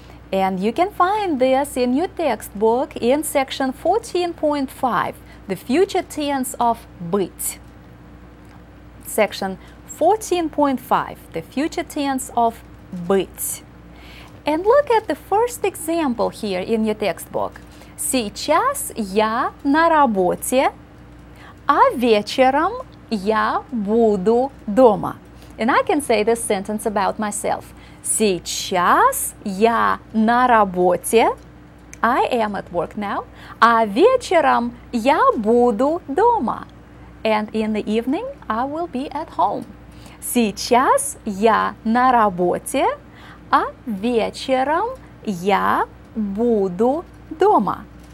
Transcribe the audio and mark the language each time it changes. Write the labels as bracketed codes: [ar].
[en] And you can find this in your textbook in section 14.5, the future tense of быть. Section 14.5, the future tense of быть. And look at the first example here in your textbook. [ru] Сейчас я на работе, а вечером я буду дома. [en] And I can say this sentence about myself. [ru] Сейчас я на работе. [en] I am at work now. [ru] А вечером я буду дома. [en] And in the evening, I will be at home. [ru] Сейчас я на работе, а вечером я буду дома.